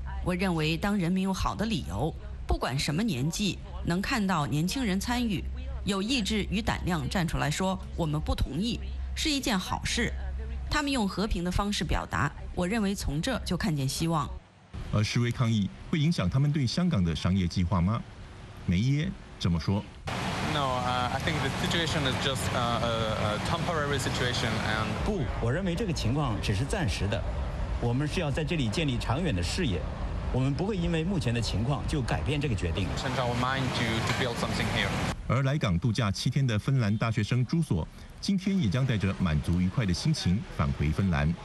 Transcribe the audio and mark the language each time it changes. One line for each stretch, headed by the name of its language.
Chinese: 我认为当人民有好的理由，不管什么年纪，能看到年轻人参与，有意志与胆量站出来说我们不同意，是一件好事。他们用和平的方式表达，我认为从这就看见希望。而示威抗议会影响他们对香港的商业计划吗？梅耶这么说。
English: No, I think the situation is just a temporary situation and
Chinese: 不，我认为这个情况只是暂时的。我们是要在这里建立长远的事业，我们不会因为目前的情况就改变这个决定。
English: Change our mind to build something here.
Chinese: 而来港度假七天的芬兰大学生朱索今天也将带着满足愉快的心情返回芬兰。